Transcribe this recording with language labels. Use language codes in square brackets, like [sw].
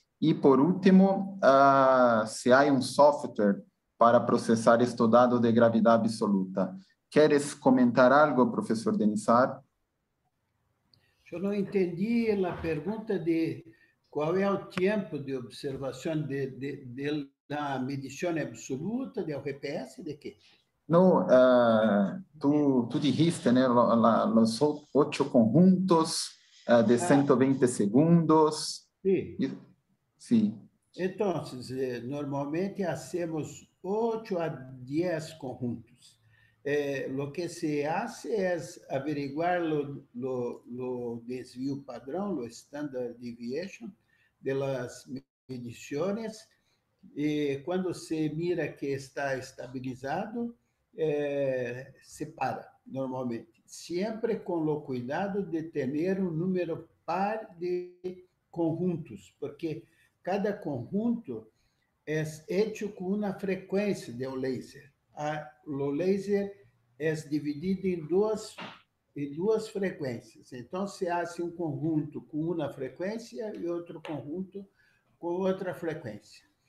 [es] Y por último, si hay un software para procesar estos datos de gravedad absoluta. ¿Quieres comentar algo, profesor Denizar? [pt] Eu não entendi a pergunta de qual é o tempo de observação da medição absoluta, do GPS, de quê? Não, [es] tu dijiste, [pt] né, os 8 conjuntos de 120 segundos. Sim. Então, normalmente hacemos 8 a 10 conjuntos. [es] Lo que se hace es averiguar lo desvío padrón, lo standard deviation de las mediciones. Cuando se mira que está estabilizado, se para normalmente. Siempre con lo cuidado de tener un número [pt] par de conjuntos, porque cada conjunto é feito com uma frequência de um laser. O laser é dividido em duas frequências. Então, se há um conjunto com uma frequência e outro conjunto com outra frequência.